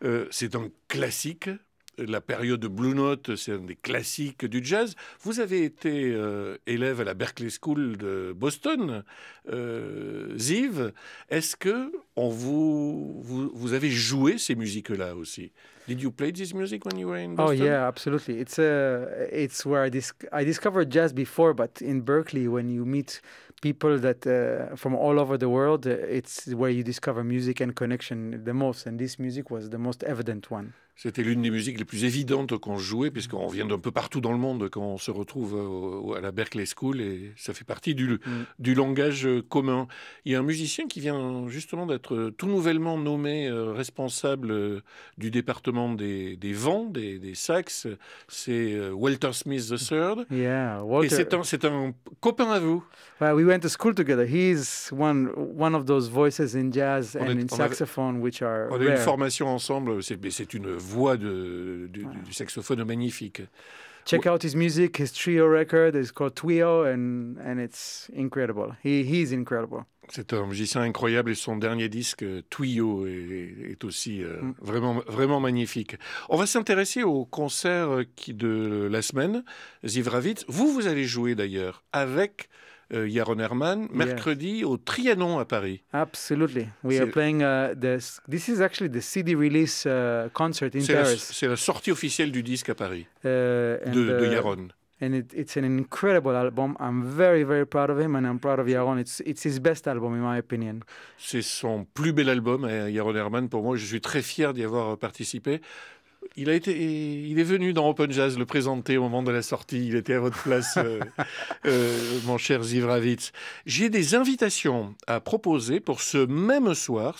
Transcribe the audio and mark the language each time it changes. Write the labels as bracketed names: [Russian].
[French] C'est un classique. La période de Blue Note, c'est un des classiques du jazz. Vous avez été élève à la Berklee School de Boston, Ziv. Est-ce que vous avez joué ces musiques-là aussi? [English] Did you play this music when you were in Boston? Oh yeah, absolutely. It's where I discovered jazz before, but in Berklee, when you meet people that from all over the world, it's where you discover music and connection the most. And this music was the most evident one. [French] C'était l'une des musiques les plus évidentes qu'on jouait, puisqu'on vient d'un peu partout dans le monde quand on se retrouve à la Berklee School, et ça fait partie du langage commun. Il y a un musicien qui vient justement d'être tout nouvellement nommé responsable du département des vents, des saxes, c'est Walter Smith III. [English] Yeah, Walter. [French] Et c'est un copain à vous. [English] Well, we went to school together. He's one of those voices in jazz and in saxophone, which are rare. [French] On a eu une formation ensemble, c'est une voix du saxophone magnifique. [English] Check out his music, his trio record is called Twio and it's incredible. He's incredible. [French] C'est un musicien incroyable et son dernier disque Twio est aussi vraiment vraiment magnifique. On va s'intéresser au concert de la semaine, Ziv Ravitz. Vous allez jouer d'ailleurs avec Yaron Herman, mercredi, yes, au Trianon à Paris. [English] Absolutely. We are playing this is actually the CD release concert in Paris. [French] C'est la sortie officielle du disque à Paris de Yaron. [English] And it's an incredible album. I'm very, very proud of him and I'm proud of Yaron. It's his best album, in my opinion. [French] C'est son plus bel album, Yaron Herman, pour moi. Je suis très fier d'y avoir participé. Il est venu dans Open Jazz le présenter au moment de la sortie. Il était à votre place, mon cher Ziv Ravitz. J'ai des invitations à proposer pour ce même soir.